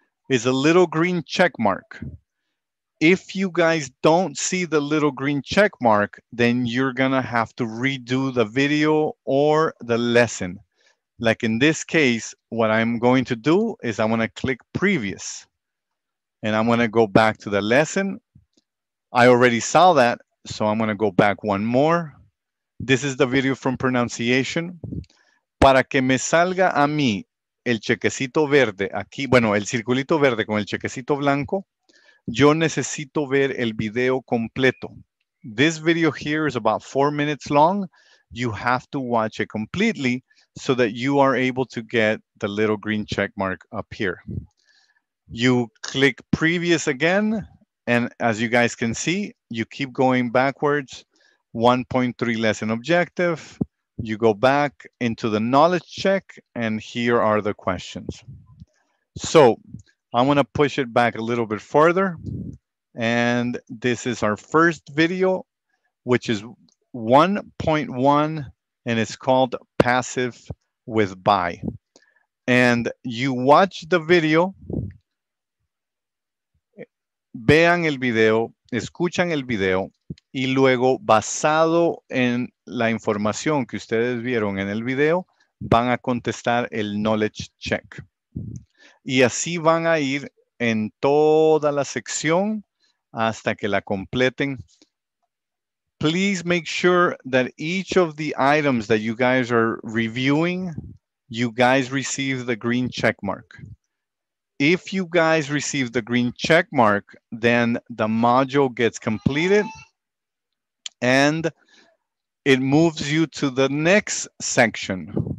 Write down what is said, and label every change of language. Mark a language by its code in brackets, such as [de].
[en] It's a little green check mark. If you guys don't see the little green check mark, then you're gonna have to redo the video or the lesson. Like in this case, what I'm going to do is I'm gonna click previous. And I'm going to go back to the lesson. I already saw that, so I'm going to go back one more. This is the video from pronunciation. [es] Para que me salga a mí el chequecito verde aquí, bueno, el circulito verde con el chequecito blanco, yo necesito ver el video completo. [en] This video here is about 4 minutes long. You have to watch it completely so that you are able to get the little green check mark up here. you click previous again, and as you guys can see, you keep going backwards. 1.3 lesson objective. You go back into the knowledge check, and here are the questions. So I'm going to push it back a little bit further. And this is our first video, which is 1.1, and it's called Passive with By. And you watch the video. [es] Vean el video, escuchan el video, y luego, basado en la información que ustedes vieron en el video, van a contestar el knowledge check. Y así van a ir en toda la sección hasta que la completen. [en] Please make sure that each of the items that you guys are reviewing, you guys receive the green check mark. If you guys receive the green check mark, then the module gets completed and it moves you to the next section.